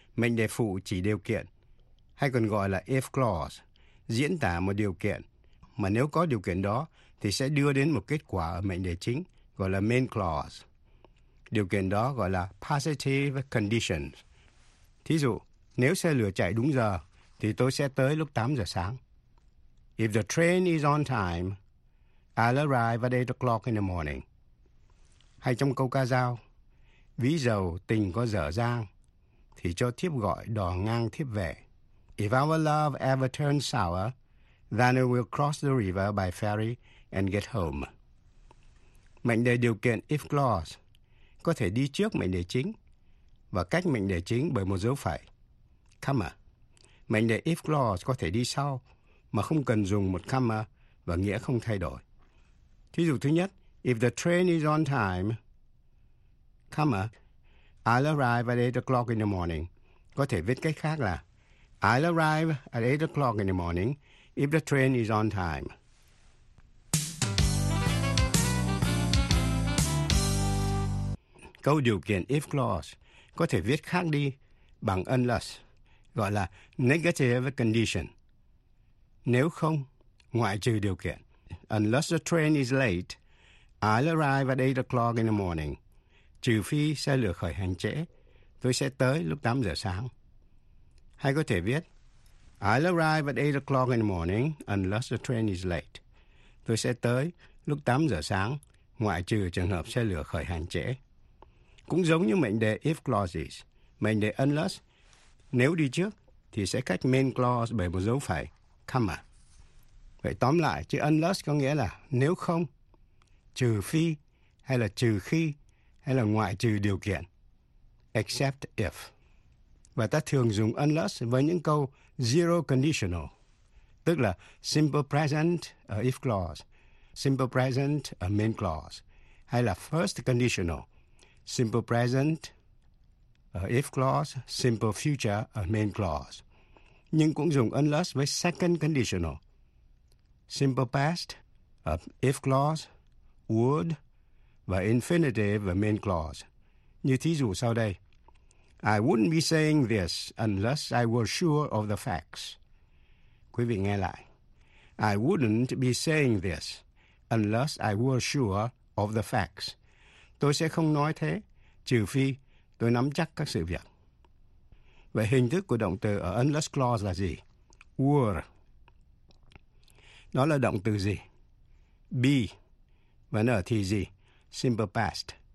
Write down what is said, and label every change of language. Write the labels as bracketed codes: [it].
[vi] Mệnh đề phụ chỉ điều kiện, hay còn gọi là if clause, diễn tả một điều kiện, mà nếu có điều kiện đó thì sẽ đưa đến một kết quả ở mệnh đề chính, gọi là main clause. Điều kiện đó gọi là positive conditions. Thí dụ, nếu xe lửa chạy đúng giờ thì tôi sẽ tới lúc 8 giờ sáng. [en] If the train is on time, I'll arrive at 8 o'clock in the morning. [vi] Hay trong câu ca dao, ví dầu tình có dở dang thì cho thiếp gọi đò ngang thiếp về. [en] If our love ever turns sour, then we will cross the river by ferry and get home. [vi] Mệnh đề điều kiện if clause có thể đi trước mệnh đề chính và cách mệnh đề chính bởi một dấu phẩy, comma. Mệnh đề if clause có thể đi sau mà không cần dùng một comma và nghĩa không thay đổi. Thí dụ thứ nhất, [en] if the train is on time, comma, I'll arrive at 8 o'clock in the morning. [vi] Có thể viết cách khác là [en] I'll arrive at 8 o'clock in the morning if the train is on time. [vi] Câu điều kiện if clause có thể viết khác đi bằng unless, gọi là negative condition. Nếu không, ngoại trừ điều kiện. [en] Unless the train is late, I'll arrive at 8 o'clock in the morning. [vi] Trừ phi xe lửa khởi hành trễ, tôi sẽ tới lúc 8 giờ sáng. Hay có thể viết, [en] I'll arrive at 8 o'clock in the morning unless the train is late. [vi] Tôi sẽ tới lúc 8 giờ sáng, ngoại trừ trường hợp xe lửa khởi hành trễ. Cũng giống như mệnh đề if clauses, mệnh đề unless, nếu đi trước thì sẽ cách main clause bởi một dấu phẩy, comma. Vậy tóm lại, chữ unless có nghĩa là nếu không, trừ phi, hay là trừ khi, hay là ngoại trừ điều kiện, [en] except if. [vi] Và ta thường dùng unless với những câu zero conditional, tức là simple present ở if clause, simple present ở main clause, hay là first conditional, simple present ở if clause, simple future ở main clause. Nhưng cũng dùng unless với second conditional, simple past ở if clause, would và infinitive ở main clause. Như thí dụ sau đây, [en] I wouldn't be saying this unless I were sure of the facts. [vi] Quý vị nghe lại. [en] I wouldn't be saying this unless I were sure of the facts. [vi] Tôi sẽ không nói thế trừ phi tôi nắm chắc các sự việc. Vậy hình thức của động từ ở unless clause là gì? Were. Đó là động từ gì? Be. Và nó thì gì? Simple past.